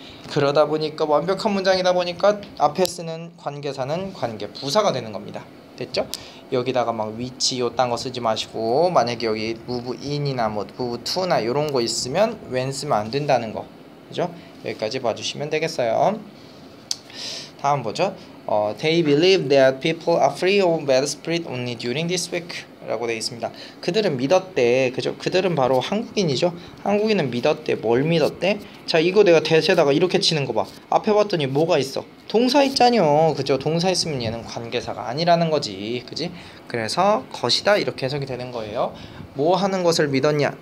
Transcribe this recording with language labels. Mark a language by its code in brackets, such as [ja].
[ko] 그러다 보니까 완벽한 문장이다 보니까 앞에 쓰는 관계사는 관계 부사가 되는 겁니다. 됐죠? 여기다가 막 위치 요딴 거 쓰지 마시고 만약에 여기 move in이나 뭐 move to나 요런 거 있으면 when 쓰면 안 된다는 거, 그죠? 여기까지 봐주시면 되겠어요. 다음 보죠. [en] They believe that people are free of bad spirit only during this week [ko] 라고 되어 있습니다. 그들은 믿었대, 그죠? 그들은 바로 한국인이죠. 한국인은 믿었대. 뭘 믿었대? 자, 이거 내가 대세다가 이렇게 치는 거 봐. 앞에 봤더니 뭐가 있어? 동사 있잖여, 그죠? 동사 있으면 얘는 관계사가 아니라는 거지, 그지? 그래서 것이다 이렇게 해석이 되는 거예요. 뭐 하는 것을 믿었냐?